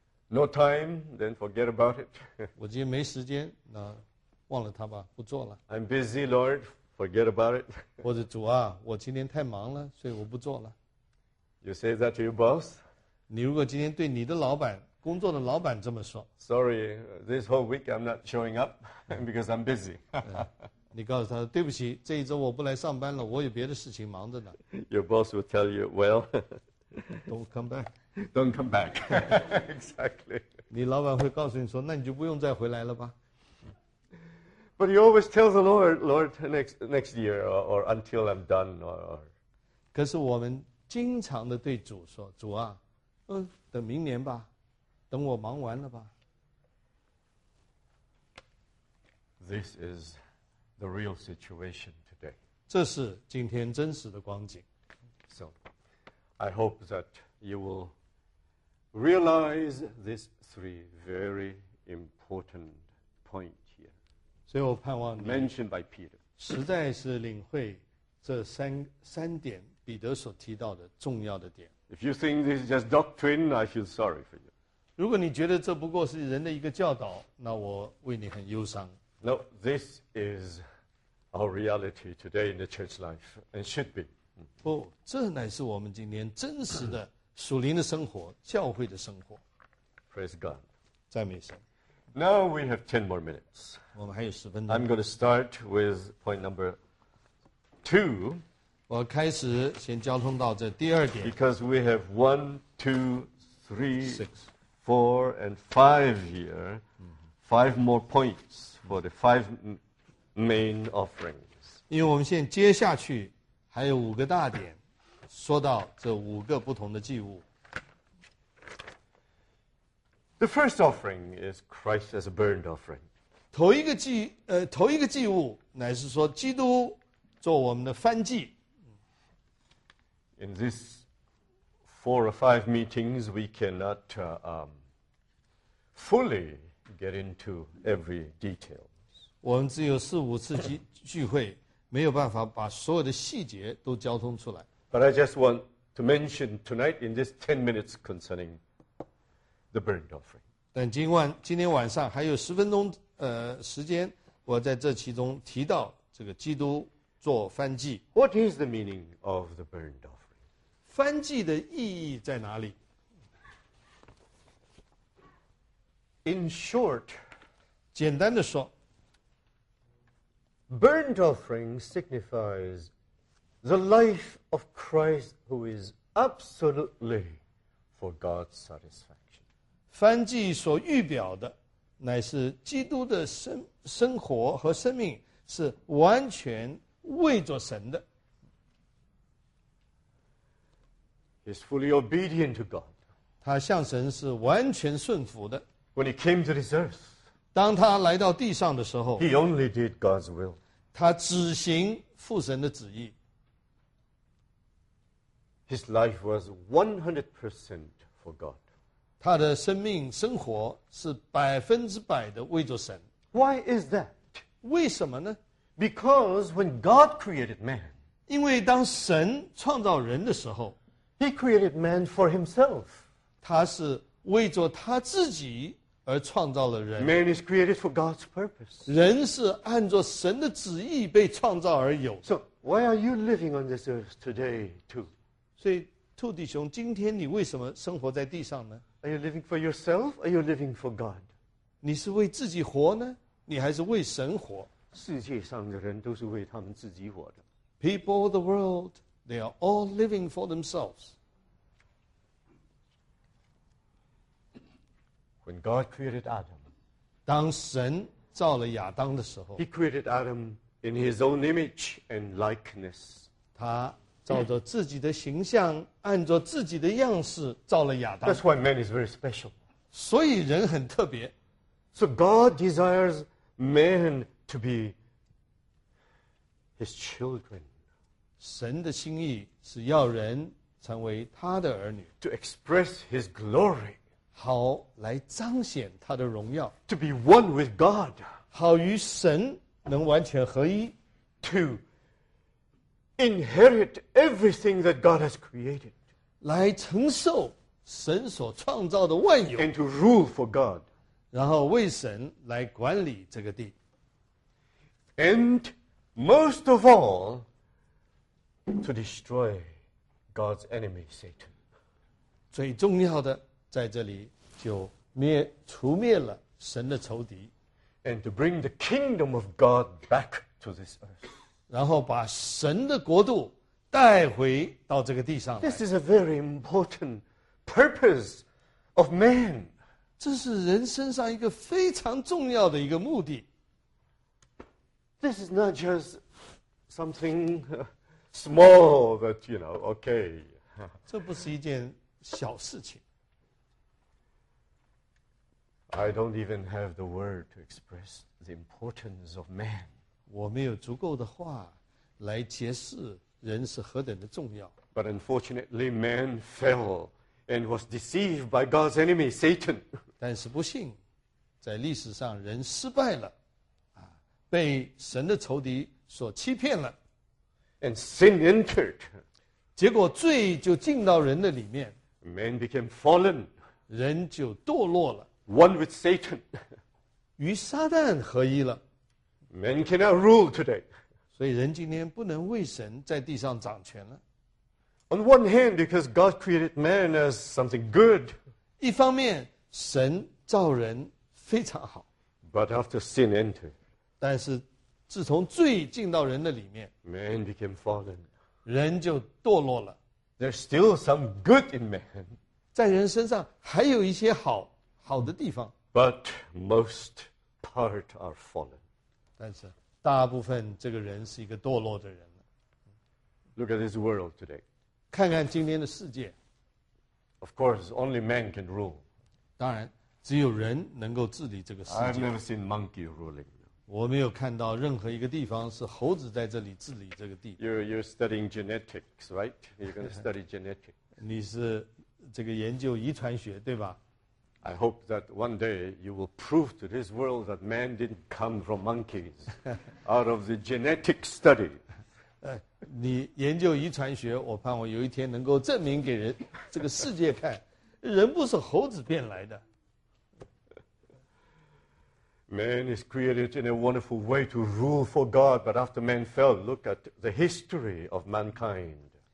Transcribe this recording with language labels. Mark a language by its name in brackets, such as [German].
[English] ？No time, then forget about it. [Chinese] 我今天没时间，那忘了他吧，不做了。 [English] I'm busy, Lord. Forget about it. [Chinese] 或者主啊，我今天太忙了，所以我不做了。 [English] You say that to your boss? [Chinese] 你如果今天对你的老板、工作的老板这么说 [English] ？Sorry, this whole week I'm not showing up because I'm busy. [Chinese] 你告诉他对不起，这一周我不来上班了，我有别的事情忙着呢。 [English] Your boss will tell you, well, don't come back. Don't come back. Exactly. [Chinese] 你老板会告诉你说，那你就不用再回来了吧。 [English] But you always tell the Lord, Lord, next year or until I'm done or. [Chinese] 可是我们经常的对主说，主啊，等明年吧，等我忙完了吧。 [English] This is. The real situation today. [Chinese] 这是今天真实的光景。 [English] So, I hope that you will realize these three very important points here. [Chinese] 所以我盼望你 [English] mentioned by Peter. [Chinese] 实在是领会这三点彼得所提到的重要的点。 [English] If you think this is just doctrine, I feel sorry for you. [Chinese] 如果你觉得这不过是人的一个教导，那我为你很忧伤。 [English] No, this is our reality today in the church life, and should be. [Chinese] 不，这乃是我们今天真实的属灵的生活，教会的生活。 [English] Praise God. [Chinese] 赞美神。 [English] Now we have 10 more minutes. [Chinese] 我们还有十分钟。 [English] I'm going to start with point number 2. [Chinese] 我开始先交通到这第二点。 [English] Because we have 1, 2, 3, 4, and 5 here. Five more points. For the five main offerings. [Chinese] 因为我们现在接下去还有五个大点，说到这五个不同的祭物。 [English] The first offering is Christ as a burnt offering. [Chinese] 头一个祭物乃是说基督做我们的燔祭。 [English] In this 4 or 5 meetings, we cannot fully. Get into every detail. [Chinese] 我们只有四五次聚会，没有办法把所有的细节都交通出来。 [English] But I just want to mention tonight in this 10 minutes concerning the burnt offering. [Chinese] 但今天晚上还有十分钟时间，我在这其中提到这个基督做燔祭。 [English] What is the meaning of the burnt offering? [Chinese] 燔祭的意义在哪里？ [English] In short, [Chinese] 简单的说 [English] burnt offering signifies the life of Christ who is absolutely for God's satisfaction. [Chinese] 燔祭所预表的乃是基督的生活和生命是完全为着神的。 [English] He's fully obedient to God. [Chinese] 他向神是完全顺服的。 [English] When he came to this earth, [Chinese] 当他来到地上的时候 [English] he only did God's will. [Chinese] 他只行父神的旨意。 [English] His life was 100% for God. [Chinese] 他的生命生活是百分之百的为着神。 [English] Why is that? [Chinese] 为什么呢？ [English] Because when God created man, [Chinese] 因为当神创造人的时候， [English] He created man for himself. [Chinese] 他是为着他自己而创造了人。 [English] Man is created for God's purpose. [Chinese] 人是按着神的旨意被创造而有。 [English] So, why are you living on this earth today too? [Chinese] 所以兔弟兄，今天你为什么生活在地上呢？ [English] Are you living for yourself? Are you living for God? [Chinese] 你是为自己活呢？你还是为神活？世界上的人都是为他们自己活的。 [English] People of the world, they are all living for themselves. When God created Adam, [Chinese] 当神造了亚当的时候， [English] He created Adam in his own image and likeness. [Chinese] 他照着自己的形象，按着自己的样式造了亚当。 [English] That's why man is very special. [Chinese] 所以人很特别。 [English] So God desires man to be his children. [Chinese] 神的心意是要人成为他的儿女。 [English] To express his glory. [Chinese] 好来彰显他的荣耀。 [English] To be one with God. [Chinese] 好与神能完全合一。 [English] To inherit everything that God has created. [Chinese] 来承受神所创造的万有。 [English] And to rule for God. [Chinese] 然后为神来管理这个地。 [English] And most of all, to destroy God's enemy, Satan. [Chinese] 最重要的在这里就除灭了神的仇敌。 [English] And to bring the kingdom of God back to this earth. [Chinese] 然后把神的国度带回到这个地上来。 [English] This is a very important purpose of man. [Chinese] 这是人身上一个非常重要的一个目的。 [English] This is not just something small that, you know, okay. [Chinese] 这不是一件小事情。 [English] I don't even have the word to express the importance of man. [Chinese] 我没有足够的话来解释人是何等的重要。 [English] But unfortunately, man fell and was deceived by God's enemy, Satan. [Chinese] 但是不幸，在历史上人失败了。被神的仇敌所欺骗了。 [English] And sin entered. [Chinese] 结果罪就进到人的里面。 [English] Man became fallen. [Chinese] 人就堕落了。 [English] One with Satan. [Chinese] 与撒旦合一了。 [English] Man cannot rule today. [Chinese] 所以人今天不能为神在地上掌权了。 [English] On one hand, because God created man as something good. [Chinese] 一方面神造人非常好。 [English] But after sin entered. [Chinese] 但是自从罪进到人的里面， [English] man became fallen. [Chinese] 人就堕落了。 [English] There's still some good in man. [Chinese] 在人身上还有一些好的地方。 [English] But most part are fallen. [Chinese] 但是大部分这个人是一个堕落的人了。 [English] Look at this world today. [Chinese] 看看今天的世界。 [English] Of course, only man can rule. [Chinese] 当然只有人能够治理这个世界。 [English] I've never seen monkey ruling. [Chinese] 我没有看到任何一个地方是猴子在这里治理这个地。 [English] You're studying genetics, right? You're going to study genetics. [Chinese] 你是这个研究遗传学，对吧？ [English] I hope that one day you will prove to this world that man didn't come from monkeys out of the genetic study. [Chinese] 你研究遗传学，我盼望有一天能够证明给人这个世界看，人不是猴子变来的。 [English] Man is created in a wonderful way to rule for God, but after man fell, look at the history of mankind.